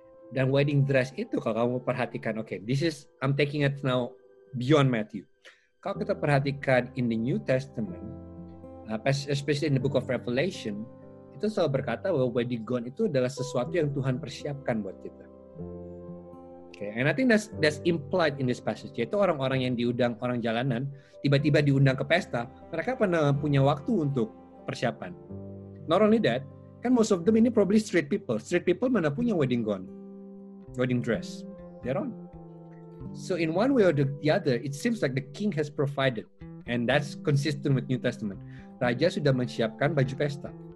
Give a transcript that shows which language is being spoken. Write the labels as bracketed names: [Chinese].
[Indonesian] Dan wedding dress itu kalau kamu perhatikan, [English] okay, this is, I'm taking it now beyond Matthew. [Indonesian] Kalau kita perhatikan [English] in the New Testament, especially in the book of Revelation, [Indonesian] itu selalu berkata bahwa wedding gown itu adalah sesuatu yang Tuhan persiapkan buat kita. [English] Okay, and I think that's implied in this passage. [Indonesian] Yaitu orang-orang yang diundang, orang jalanan, tiba-tiba diundang ke pesta, mereka pernah punya waktu untuk persiapan. [English] Not only that, kan most of them ini probably street people. Street people [Indonesian] mana punya [English] wedding gown, wedding dress. They're on. So in one way or the other, it seems like the king has provided. And that's consistent with New Testament. [Indonesian] Raja sudah menyiapkan baju pesta.